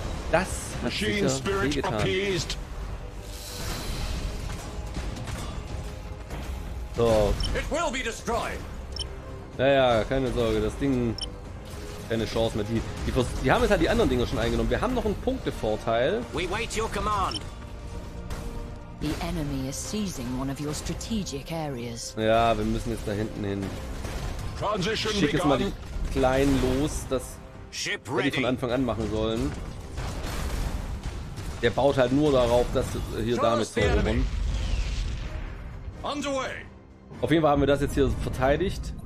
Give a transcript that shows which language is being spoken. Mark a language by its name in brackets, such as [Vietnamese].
[German] Das hat sicher wehgetan. So. [English] It will be destroyed. [German] Naja, keine Sorge, das Ding. Keine Chance mehr. Die haben jetzt halt die anderen Dinger schon eingenommen. Wir haben noch einen Punktevorteil. [English] We wait your command. The enemy is seizing one of your strategic areas. [German] Ja, wir müssen jetzt da hinten hin. [English] Transition [German] ich schick jetzt [English] begun. [German] Mal die Kleinen los, das hätte ich von Anfang an machen sollen. Der baut halt nur darauf, dass hier damit zu erobern. [English] Underway. [German] Auf jeden Fall haben wir das jetzt hier verteidigt.